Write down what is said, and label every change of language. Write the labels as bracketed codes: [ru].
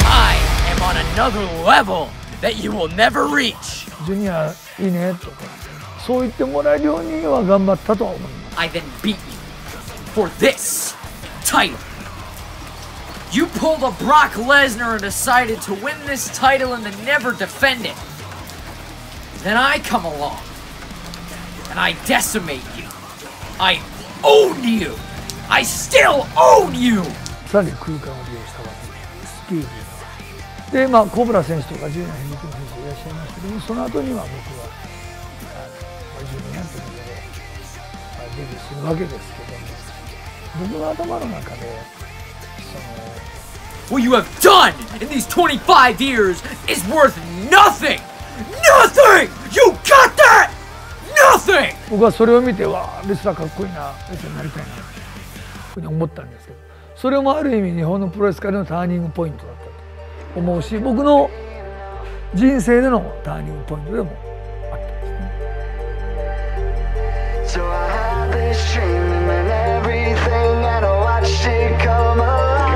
[en] I am on another level that you will never reach! [ja] ジュニアいいねとか、そう言ってもらえるようには頑張ったとは思います。 [en] I then beat you for this title! You pulled a Brock Lesnar and decided to win this title and then never defend it. Then I come along and I decimate you. I own you. I still own you. [ja] さらに空間を利用したわけです。スキー。で、まあコブラ選手とかジュニアヘビー級の選手いらっしゃいましたけど、その後には僕はジュニアというので、まあ、デビューするわけですけども、僕の頭の中で。 [en] What you have done in these 25 years is worth nothing! Nothing! You got that! Nothing! [ja] 僕はそれを見て、わー、レスラーかっこいいな、レスラーになりたいな、というふうに思ったんですけど、それもある意味日本のプロレス界のターニングポイントだったと思うし、僕の人生でのターニングポイントでもあったんですね。 [en] So I had this dream and everything and I watched it come up.